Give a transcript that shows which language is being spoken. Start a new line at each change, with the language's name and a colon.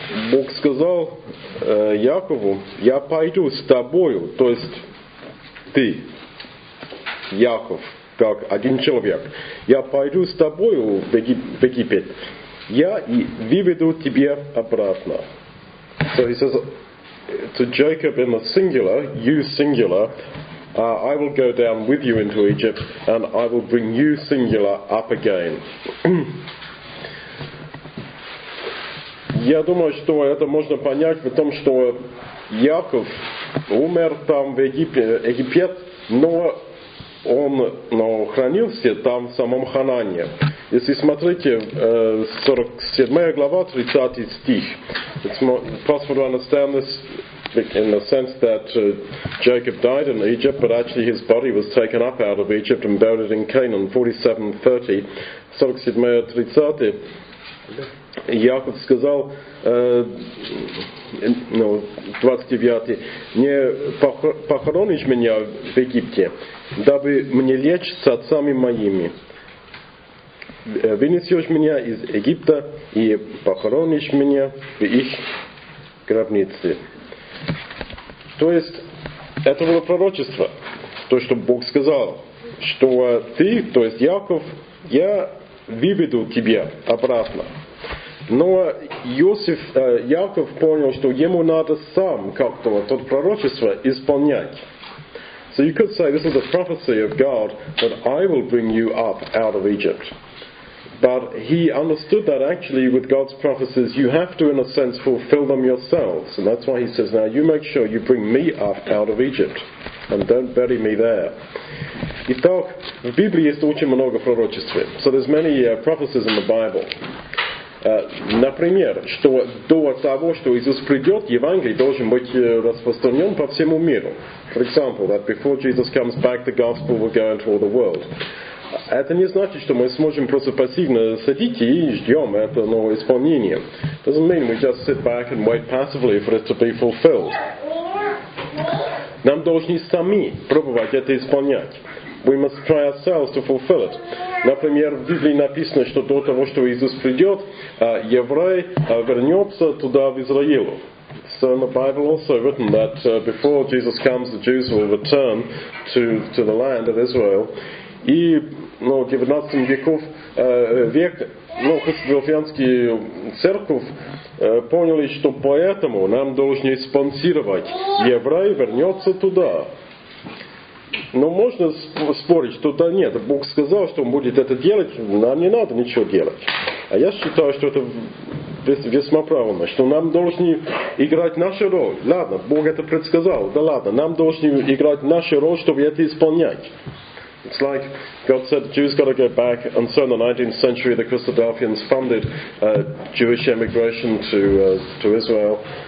Russian: Бог сказал Якову: «Я пойду с тобою», то есть ты, Яков, как один человек, «Я пойду с тобою в Египет, я и выведу тебя обратно».
English: So he says to Jacob in the singular, you singular, I will go down with you into Egypt and I will bring you singular up again.
Russian: Я думаю, что это можно понять в том, что Яков умер там в Египет, но он хранился там в самом Ханане. Если смотрите, 47 глава, 30 стих.
English: It's possible to understand this in the sense that Jacob died in Egypt, but actually his body was taken up out of Egypt and buried in Canaan, 47:30. 47:30.
Russian: Яков сказал, 29-й, «Не похоронишь меня в Египте, дабы мне лечь с отцами моими. Вынесешь меня из Египта и похоронишь меня в их гробнице». То есть, это было пророчество, то, что Бог сказал, что ты, то есть Яков, я выведу тебя обратно. Но Иосиф, Яков понял, что ему надо сам как-то вот это пророчество исполнять.
English: So you could say this is a prophecy of God that I will bring you up out of Egypt. But he understood that actually with God's prophecies you have to, in a sense, fulfill them yourselves. And that's why he says, now you make sure you bring me up out of Egypt and don't bury me there.
Russian: Итак, в Библии есть очень много пророчеств.
English: So there's many prophecies in the Bible.
Russian: Например, что до того, что Иисус придет, Евангелие должен быть распространен по всему миру.
English: For example, that before Jesus comes back, the gospel will go into all the world.
Russian: Это не значит, что мы сможем просто пассивно сидеть и ждем это новое исполнение.
English: It doesn't mean we just sit back and wait passively for it to be fulfilled.
Russian: Нам должны сами пробовать это исполнять.
English: We must try ourselves to fulfill it.
Russian: Например, в Библии написано, что до того, что Иисус придет, еврей вернется туда, в Израиль.
English: So in the Bible also written that before Jesus comes, the Jews will return to the land of Israel.
Russian: И в 19 веке христофианские церковь поняли, что поэтому нам должны спонсировать. Еврей вернется туда. Но можно спорить, что да нет, Бог сказал, что Он будет это делать, нам не надо ничего делать. А я считаю, что это весьма правильно, что нам должны играть нашу роль. Ладно, Бог это предсказал, да ладно, нам должны играть нашу роль, чтобы это исполнять.
English: It's like God said the Jews got to go back, and so in the 19th century the Christadelphians funded Jewish emigration to Israel.